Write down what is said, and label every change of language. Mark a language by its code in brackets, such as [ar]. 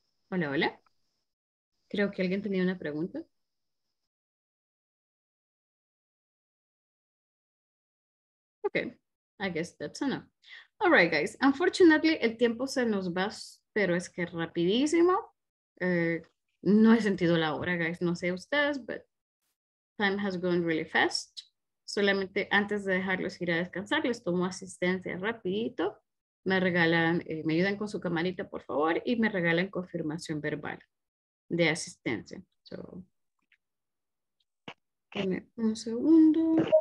[es] Hola, hola. Creo que alguien tenía una pregunta. [en] Okay, I guess that's enough. All right, guys. Unfortunately, [es] el tiempo se nos va, pero es que rapidísimo. No he sentido la hora, guys. No sé ustedes, [en] but time has gone really fast. [es] Solamente antes de dejarlos ir a descansar, les tomo asistencia rapidito. Me regalan, me ayudan con su camarita, por favor, y me regalan confirmación verbal de asistencia. So, dame un segundo.